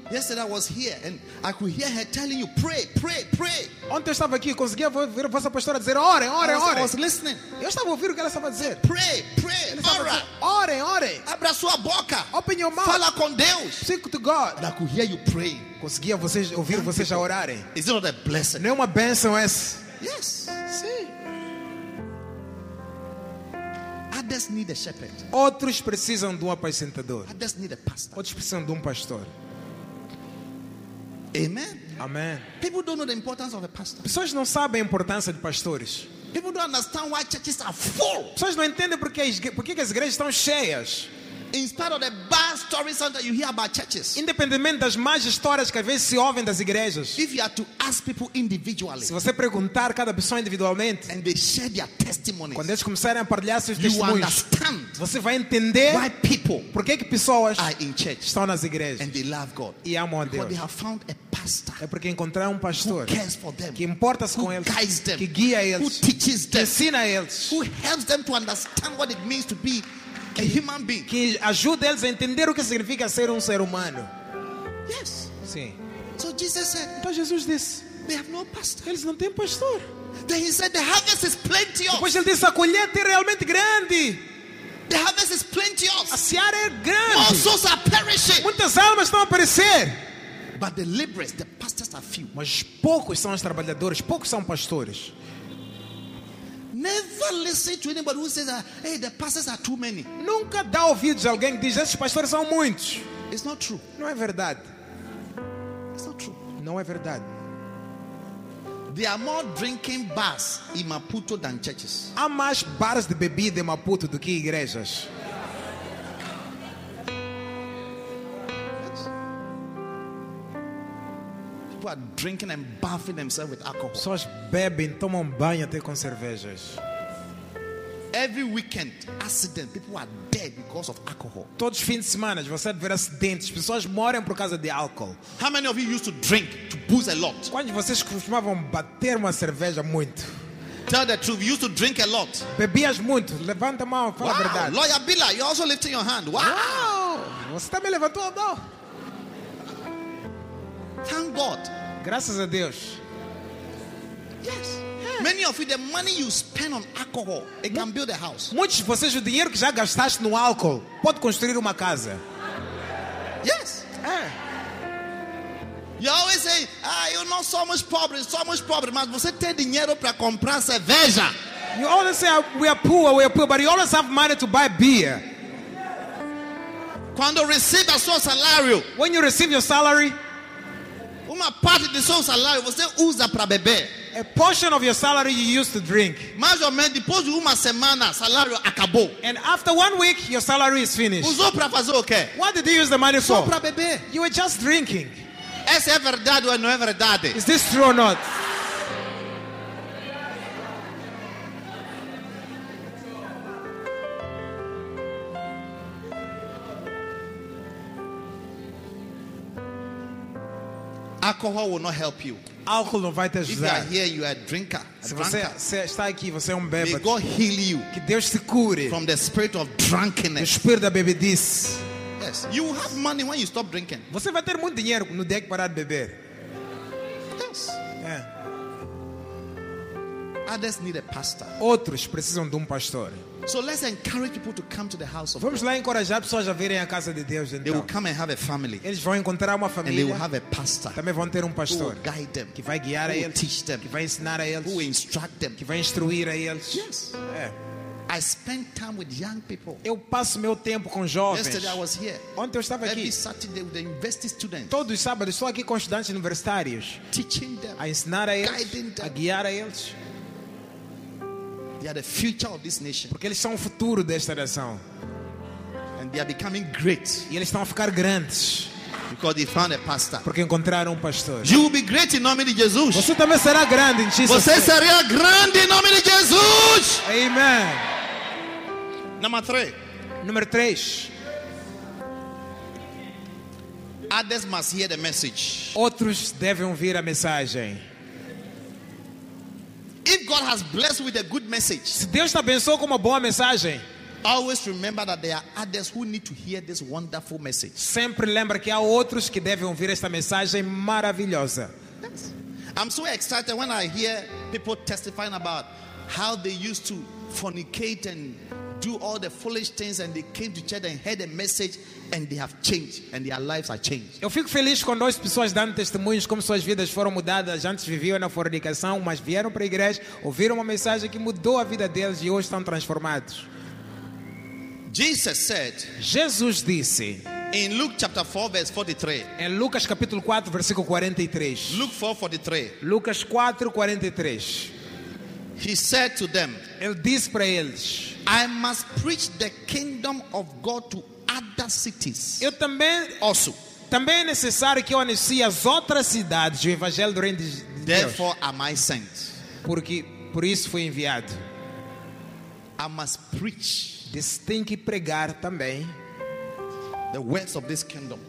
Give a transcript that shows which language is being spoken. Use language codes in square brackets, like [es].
[en] Yesterday I was here and I could hear her telling you, pray, pray, pray. [pt] Ontem eu estava aqui e conseguia ver a vossa pastora dizer, ore, ore, ore. [en] I was listening. [pt] Eu estava ouvindo o que ela estava a dizer. [en] Pray, pray, ora. [pt] Ore, ore. Abra sua boca. [en] Open your mouth. [pt] Fala com Deus. [en] Speak to God. And I could hear you pray. [pt] Conseguia vocês ouvir vocês a orarem. [en] Is it not a blessing? [pt] Não é uma bênção essa? [en] Yes. [pt] Sim. [en] Others need a shepherd. [pt] Outros precisam de um apacentador. [en] Others need a pastor. [pt] Outros precisam de pastor. [en] Amen. [pt] Amen. [en] People don't know the importance of a pastor. [pt] Pessoas não sabem a importância de pastores. [en] People don't understand why churches are full. [pt] Pessoas não entendem porque as igrejas estão cheias. [en] Instead of the bad stories that you hear about churches. [pt] Independentemente das más histórias que às vezes se ouvem das igrejas. [en] If you are to ask people individually. [pt] Se você perguntar cada pessoa individualmente. [en] And they share their testimonies. [pt] Quando eles começarem a partilhar seus [en] testemunhos. You understand. [pt] Você vai entender. [en] Why people. [pt] Por que pessoas [en] are in church. [pt] Estão nas igrejas. [en] And they love God. [pt] E amam a Deus. [en] Because they have found a pastor. [pt] É porque encontraram pastor. [en] Who cares for them. [pt] Que importa-se com eles. [en] Who guides them. [pt] Que guia eles. [en] Who teaches them. [pt] Que ensina eles. [en] Who helps them to understand what it means to be a human being. [pt] Que ajuda eles a entender o que significa ser ser humano. [en] Yes. [pt] Sim. [en] So Jesus said. [pt] Então Jesus disse. [en] They have no pastor. [pt] Eles não têm pastor. [en] Then he said, the harvest is plenteous. [pt] Depois ele disse, a colheita é realmente grande. [en] The harvest is plenteous. [pt] A seara é grande. [en] More souls are perishing. [pt] Muitas almas estão a perecer. [en] But the laborers, the pastors are few. [pt] Mas poucos são os trabalhadores. Poucos são pastores. [en] Never listen to anybody who says, "Hey, the pastors are too many." [pt] Nunca dá ouvidos a alguém que diz, "Esses pastores são muitos." [en] It's not true. [pt] Não é verdade. [en] It's not true. [pt] Não é verdade. [en] There are more drinking bars in Maputo than churches. [pt] Há mais bares de bebida em Maputo do que igrejas. [en] People are drinking and bathing themselves with alcohol. [pt] Pessoas bebem, tomam banho até com cervejas. [en] Every weekend, accident. People are dead because of alcohol. [pt] Todos os fins de semana, você vê acidentes. Pessoas morrem por causa de álcool. [en] How many of you used to drink to booze a lot? [pt] Quantos de vocês costumavam bater uma cerveja muito? [en] Tell the truth. You used to drink a lot. [pt] Bebias muito. Levanta a mão, fala wow. A verdade. [en] Lawyer Bila, you're also lifting your hand. Wow. [pt] Wow. Você também levantou a mão. [en] Thank God. [pt] Graças a Deus. [en] Yes. Many of you, the money you spend on alcohol, it can build a house. [pt] Muitos de vocês, o dinheiro que já gastaste no álcool pode construir uma casa. [en] Yes. You always say, [pt] eu não sou muito pobre, mas [en] você tem dinheiro para comprar cerveja. You always say, we are poor, but you always have money to buy beer. [pt] Quando recebe a sua salário. [en] When you receive your salary. [pt] Uma parte do seu salário você usa para beber. [en] A portion of your salary you used to drink. [pt] Mais ou menos depois de uma semana, salário acabou. [en] And after 1 week, your salary is finished. [pt] Usou para fazer o quê? [en] What did you use the money for? [pt] Só para beber. [en] You were just drinking. [pt] Essa é verdade ou não é verdade? [en] Is this true or not? Alcohol will not help you. [pt] Alcohol não vai te ajudar. [en] If you are here, you are a drinker. [pt] Se você está aqui, você é bêbado. [en] May God heal you. [pt] Que Deus te cure. [en] From the spirit of drunkenness. [pt] Do espírito da bebedice. [en] Yes. You will have money when you stop drinking. [pt] Você vai ter muito dinheiro no dia que parar de beber. [en] Yes. Yeah. Others need a pastor. [pt] Outros precisam de pastor. [en] So let's encourage people to come to the house of [pt] Vamos [en] God. [pt] Lá encorajar pessoas a virem à casa de Deus. Então. [en] They will come and have a family. [pt] Eles vão encontrar uma família. [en] And they will have a pastor. [pt] Também vão ter pastor. [en] Who will guide them? [pt] Que vai guiar [en] who [pt] a eles? [en] Will teach them? [pt] Que vai ensinar a eles? [en] Who will instruct them? [pt] Que vai instruir a eles? [en] Yes. Yeah. I spend time with young people. [pt] Eu passo meu tempo com jovens. [en] Yesterday I was here. [pt] Ontem eu estava [en] Every [pt] aqui. [en] Every Saturday with the university students. [pt] Todos os sábados estou aqui com estudantes universitários. [en] Teaching them. [pt] A ensinar a eles. [en] Guiding them. [pt] A guiar a eles. [en] They are the future of this nation. [pt] Porque eles são o futuro desta nação. [en] And they are becoming great. [pt] E eles estão a ficar grandes. [en] Because they found a pastor. [pt] Porque encontraram pastor. [en] You will be great in [pt] nome de Jesus. Você também será grande em Jesus. Você será grande em nome de Jesus. [en] Amen. [pt] Número 3. [en] Others must hear the message. [pt] Outros devem ouvir a mensagem. [en] If God has blessed with a good message, [pt] se Deus te abençoou com uma boa mensagem, [en] always remember that there are others who need to hear this wonderful message. [pt] Sempre lembra que há outros que devem ouvir esta mensagem maravilhosa. [en] Yes. I'm so excited when I hear people testifying about how they used to fornicate and do all the foolish things and they came to church and heard a message and they have changed and their lives are changed. [pt] Eu fico feliz quando as pessoas dão testemunhos como suas vidas foram mudadas. Antes viviam na fornicação, mas vieram para a igreja, ouviram uma mensagem que mudou a vida deles e hoje estão transformados. [en] Jesus said. [pt] Jesus disse. [en] In Luke chapter 4 verse 43. [pt] Em Lucas capítulo 4 versículo 43. [en] Luke 4:43. [pt] Lucas 4:43. [en] He said to them, [pt] Ele disse para eles, [en] I must preach the kingdom of God to other cities. [pt] Eu também, [en] also, [pt] também é necessário que eu anuncie as outras cidades o evangelho do reino de Deus. [en] Therefore am I sent. [pt] Porque por isso fui enviado. [en] I must preach. [pt] Tem que pregar também [en] the words of this kingdom.